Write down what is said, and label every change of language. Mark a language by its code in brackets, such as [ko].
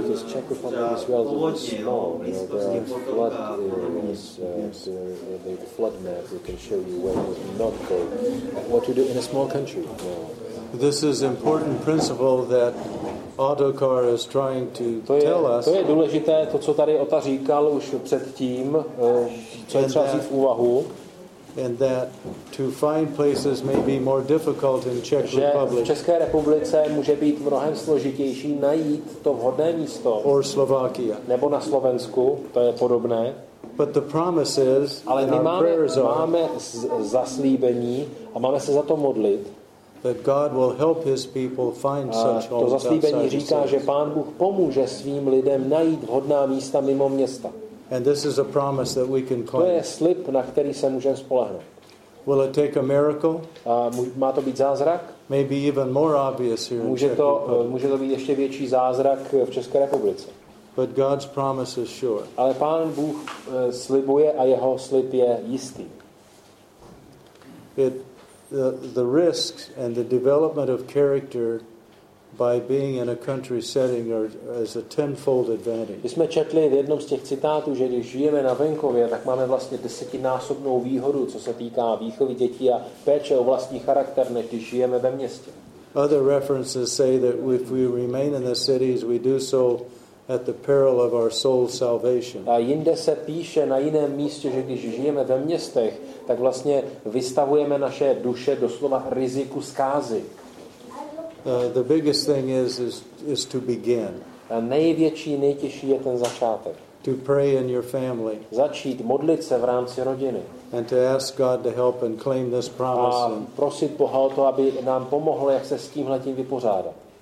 [en] Because Czech Republic is relatively small, you know, there are flood areas, the flood map we can show you where it would not go. What to do in a small country? This is an important principle that Autocar is trying to tell us. [cs] To je důležité, to, co tady Ota říkal už předtím, co je třeba vzít v úvahu. [en] And that to find places may be more difficult in Czech Republic. [cs] V České republice může být mnohem složitější najít to vhodné místo. [en] Or Slovakia. [cs] Nebo na Slovensku, to je podobné. [en] But the promises and our prayers are. [cs] Ale my máme zaslíbení a máme se za to modlit. [en] That God will help His people find such homes. [cs] To zaslíbení říká, že Pán Bůh pomůže svým lidem najít vhodná místa mimo města. [en] And this is a promise that we can claim. [cs] To je slib, na který se můžeme spolehnout. [en] Will it take a miracle? [cs] Má to být zázrak? [en] Maybe even more obvious here. [cs] Může to být ještě větší zázrak v České republice. [en] But God's promise is sure. [cs] Ale Pán Bůh slibuje a jeho slib je jistý. [en] The risks and the development of character by being in a country setting or as a tenfold advantage. [cs] My jsme četli v jednom z těch citátů, že když žijeme na venkově, tak máme vlastně desetinásobnou výhodu, co se týká výchovy dětí a péče o vlastní charakter, než když žijeme ve městě. [en] Other references say that if we remain in the cities, we do so at the peril of our soul's salvation. [cs] A jinde se píše na jiném místě, že když žijeme ve městech, tak vlastně vystavujeme naše duše doslova riziku zkázy. [en] The biggest thing is to begin. [cs] A největší, nejtěžší je ten začátek. [en] To pray in your family. [cs] Začít modlit se v rámci rodiny. [en] And to ask God to help and claim this promise. [cs] A prosit Boha o to, aby nám pomohl, jak se s tímhletím vypořádat.